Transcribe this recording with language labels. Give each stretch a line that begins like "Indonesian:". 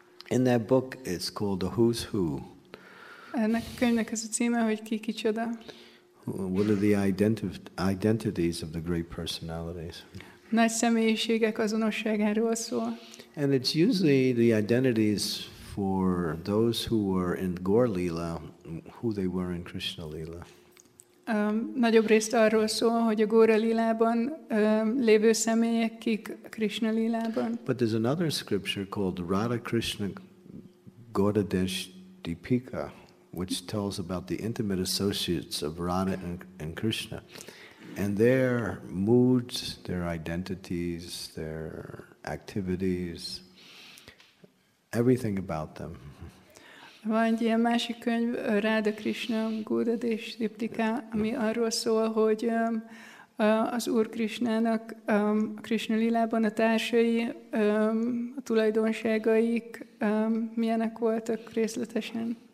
English: In that book, it's called The Who's Who.
Hungarian: Ennek a könyvnek az a címe, hogy ki kicsoda.
English: What are the identities of the great personalities?
Hungarian: Nagy személyiségek azonosságáról szól.
English: And it's usually the identities for those who were in Gaura Lila, who they were in Krishna Lila.
Hungarian: Nagyobb részt arról szól, hogy a Gaura Lilában lévő személyek kik Krishna Lilában.
English: But there's another scripture called Radha Krishna Gaudadesh Deepika, which tells about the intimate associates of Radha and Krishna. And their moods, their identities, their activities, everything about them.
Hungarian: Van egy ilyen másik könyv, Radha Krishna Gaudadesh Deepika, ami arról szól, hogy az Úr Krishnának Krishna Lilában a társai, a tulajdonságaik milyenek voltak részletesen.